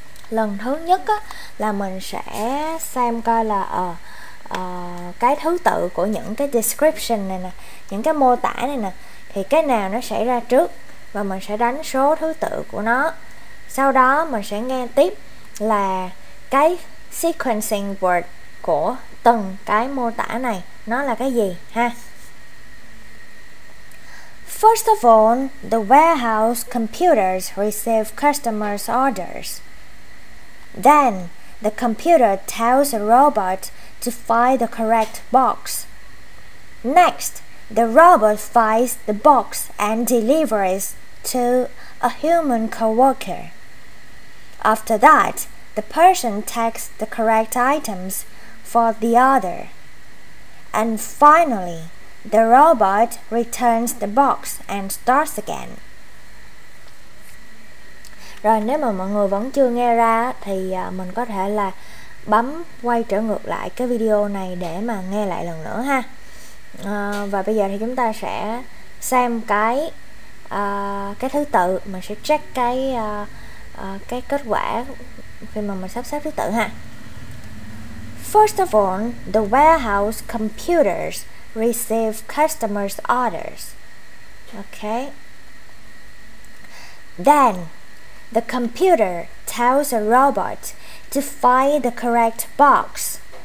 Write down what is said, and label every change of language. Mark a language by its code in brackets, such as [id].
[vi] Lần thứ nhất á, là mình sẽ xem coi là cái thứ tự của những cái description này nè, những cái mô tả này nè, thì cái nào nó xảy ra trước, và mình sẽ đánh số thứ tự của nó. Sau đó mình sẽ nghe tiếp là cái sequencing word của từng cái mô tả này nó là cái gì ha. [en] First of all, the warehouse computers receive customers' orders. Then, the computer tells the robot to find the correct box. Next, the robot finds the box and delivers to a human coworker. After that, the person takes the correct items for the other. And finally, the robot returns the box and starts again. [vi] Rồi nếu mà mọi người vẫn chưa nghe ra thì mình có thể là bấm quay trở ngược lại cái video này để mà nghe lại lần nữa ha. Và bây giờ thì chúng ta sẽ xem cái thứ tự, mình sẽ check cái kết quả khi mà mình sắp xếp thứ tự ha. [en] First of all, the warehouse computers receive customers' orders. Okay. Then the computer tells a robot to find the correct box.